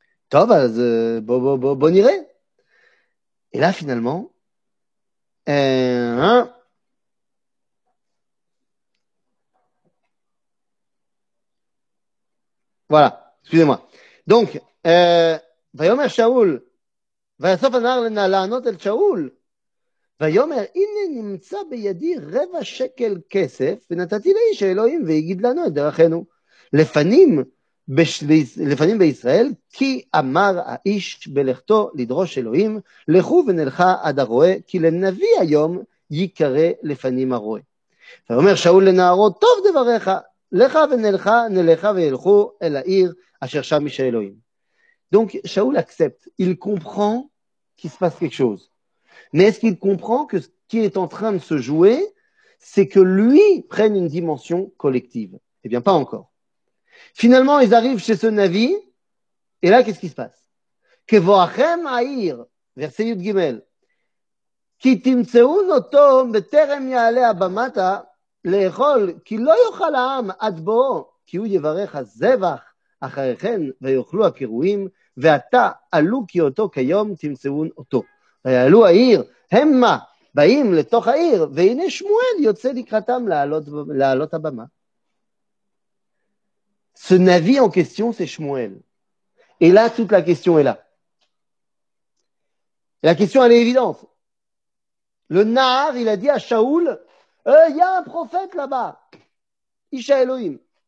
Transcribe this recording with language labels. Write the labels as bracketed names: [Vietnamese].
[French] Tovaz, bon iré. Et là, finalement, voilà, excusez-moi. [Hebrew] Donc, Vayomer Shaoul, ויאסוף הנער לענות אל שאול, ויאמר, הנה נמצא בידי רבע שקל כסף, ונתתי לאיש האלוהים, והגיד לנו את דרכנו, לפנים בישראל, כי אמר האיש בלכתו לדרוש אלוהים, לכו ונלכה עד הרועה, כי לנביא היום ייקרא לפנים הרועה. ויאמר שאול לנערו, טוב דבריך, לך ונלכה, נלכה וילכו אל העיר, אשר שם איש האלוהים. [French] Donc, Shaoul accepte. Il comprend qu'il se passe quelque chose. Mais est-ce qu'il comprend que ce qui est en train de se jouer, c'est que lui prenne une dimension collective? Eh bien, pas encore. Finalement, ils arrivent chez ce Navi. Et là, qu'est-ce qui se passe? [Hebrew] Que voachem haïr, verset Yud Gimel, ki timtseun oto beterem yale abamata lechol ki lo yochal ha'am adbo ki hu yevarech ha'zevach achareken veyochlu ha'kiruim ve'ata alu ki oto kayom timtseun oto. Ve'alu ha'ir hemma באים לתוך העיר, והנה שמואל יוצא לקראתם לעלות הבמה. [French] Ce navi en question, c'est Shmuel. Et là, toute la question est là. La question, elle est évidente. Le Nahar, il a dit à Shaoul, il y a un prophète là-bas, [Hebrew] Isha Elohim.